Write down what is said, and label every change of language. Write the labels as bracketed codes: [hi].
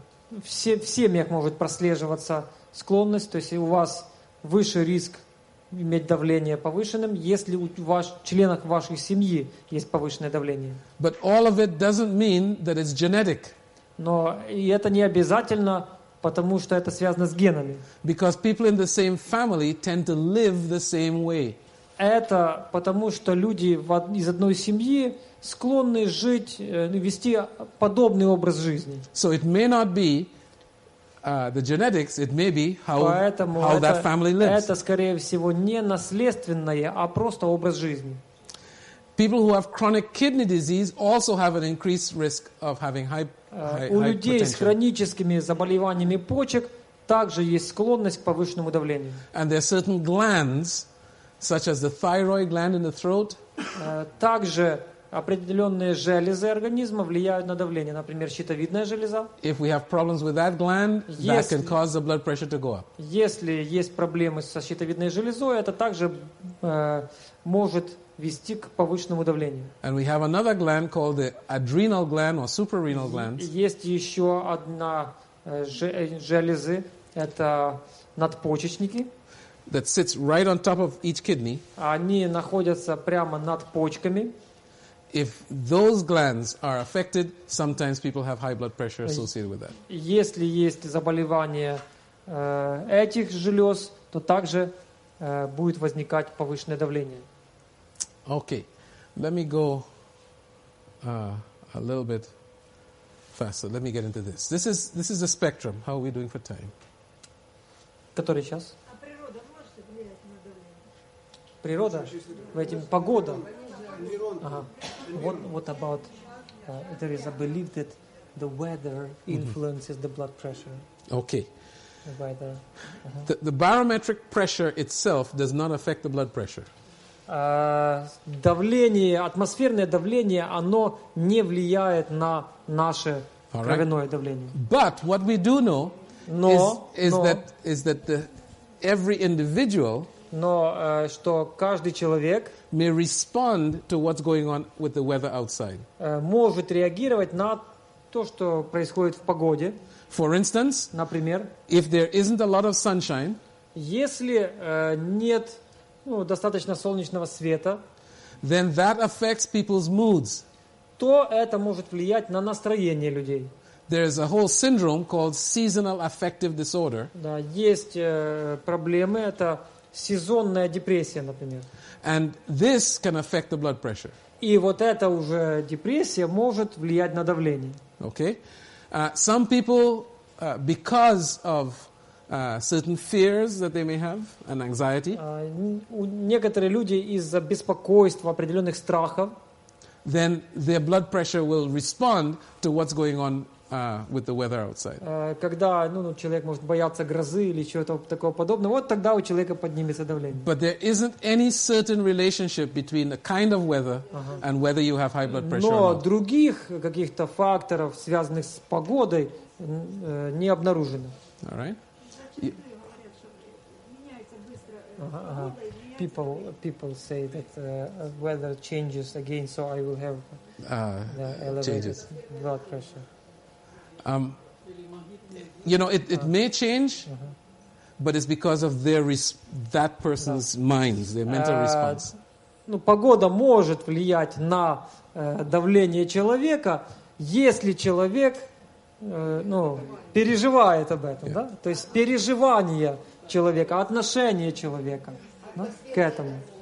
[ru] В семьях может прослеживаться склонность, то есть у вас выше риск иметь давление повышенным, если у членов вашей семьи есть повышенное давление. [en] But all of it doesn't mean that it's genetic. [ru] Но и это не обязательно, потому что это связано с генами. [en] Because people in the same family tend to live the same way. [ru] Это потому, что люди из одной семьи склонны жить, вести подобный образ жизни. [en] So it may not be the genetics, it may be how that family lives. [ru] Это, скорее всего, не наследственное, а просто образ жизни. [en] People who have chronic kidney disease also have an increased risk of having high potential. [ru] У людей с хроническими заболеваниями почек также есть склонность к повышенному давлению. [en] And there are certain glands, such as the thyroid gland in the throat. [ru] Также определенные железы организма влияют на давление, например, щитовидная железа. [en] If we have problems with that gland, that can cause the blood pressure to go up. [ru] Если есть проблемы со щитовидной железой, это также может вести к повышенному давлению. [en] And we have another gland called the adrenal gland or suprarenal gland. [ru] Есть еще одна железы, это надпочечники. [en] That sits right on top of each kidney. [ru] Они находятся прямо над почками. [en] If those glands are affected, sometimes people have high blood pressure associated with that. [ru] Если есть заболевание этих желез, то также будет возникать повышенное давление. [en] Okay, let me go a little bit faster. Let me get into this. This is a spectrum. How are we doing for time? [ru] Который час? Природа, в этом погода. [en] What about there is a belief that the weather influences the blood pressure? Okay. Weather. The barometric pressure itself does not affect the blood pressure. [ru] Давление, атмосферное давление, оно не влияет на наше кровяное давление. [en] But what we do know is that every individual. [ru] Но что каждый человек [en] may respond to what's going on with the weather outside. [ru] Может реагировать на то, что происходит в погоде. [en] For instance, [ru] например, [en] if there isn't a lot of sunshine, [ru] если нет достаточно солнечного света, [en] then that affects people's moods. [ru] То это может влиять на настроение людей. [en] There is a whole syndrome called seasonal affective disorder. [ru] Да, есть проблемы, это сезонная депрессия, например. [en] And this can affect the blood pressure. [ru] И вот эта уже депрессия может влиять на давление. [en] Okay. Some people, because of certain fears that they may have, and anxiety. [ru] Некоторые люди из-за беспокойства, определенных страхов. [en] Then their blood pressure will respond to what's going on with the weather outside. [ru] Когда человек может бояться грозы или чего-то такого подобного, вот тогда у человека поднимется давление. [en] But there isn't any certain relationship between the kind of weather and whether you have high blood pressure. [ru] Но других каких-то факторов, связанных с погодой, не обнаружено. [en] All right. People say that weather changes again, so I will have elevated blood pressure. It may change, but it's because of that person's minds, their mental response. [ru] Погода может влиять на давление человека, если человек переживает об этом, да? То есть переживание человека, отношение человека к этому.